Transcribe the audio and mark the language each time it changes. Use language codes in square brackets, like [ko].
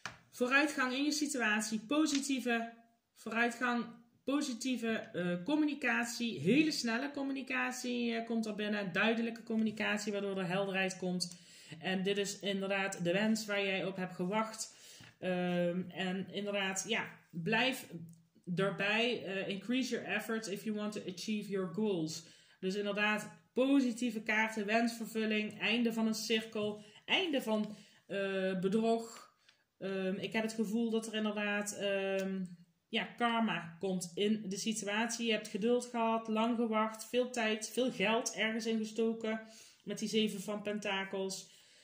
[nl] Vooruitgang in je situatie, positieve vooruitgang, positieve communicatie, hele snelle communicatie komt er binnen, duidelijke communicatie waardoor er helderheid komt. En dit is inderdaad de wens waar jij op hebt gewacht. En inderdaad, ja, blijf daarbij. [en] Increase your efforts if you want to achieve your goals. [nl] Dus inderdaad, positieve kaarten, wensvervulling, einde van een cirkel, einde van bedrog. Ik heb het gevoel dat er inderdaad karma komt in de situatie. Je hebt geduld gehad, lang gewacht, veel tijd, veel geld ergens in gestoken met die zeven van pentakels.